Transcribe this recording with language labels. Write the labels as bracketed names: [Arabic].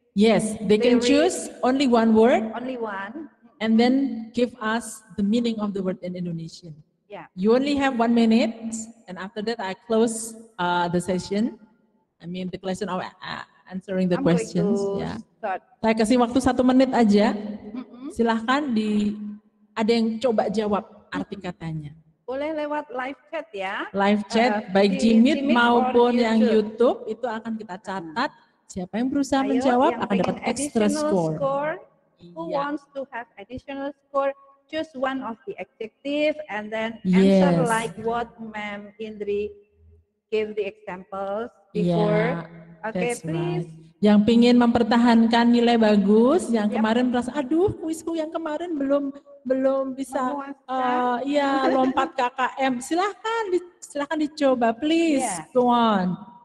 [English] Yes, they can choose only one word. Only one. And then give us the meaning of the word in Indonesian. Yeah. You only have 1 minute, and after that, I close the session. I mean, the question of answering the questions. Yeah. [Indonesian] Saya kasih waktu 1 menit aja. Silahkan ada yang coba jawab arti katanya. Boleh lewat live chat ya. Live chat, baik Jimit maupun yang YouTube, itu akan kita catat. Siapa yang berusaha menjawab akan dapat extra score. [English] Who wants to have additional score? Choose one of the adjective and then answer like what Ma'am Indri gave the examples before. Yeah, okay, please. [Indonesian] Right. Yang pingin mempertahankan nilai bagus, yang kemarin merasa aduh kuisku yang kemarin belum bisa iya lompat KKM, silahkan dicoba, please. [English] Yeah. Go on.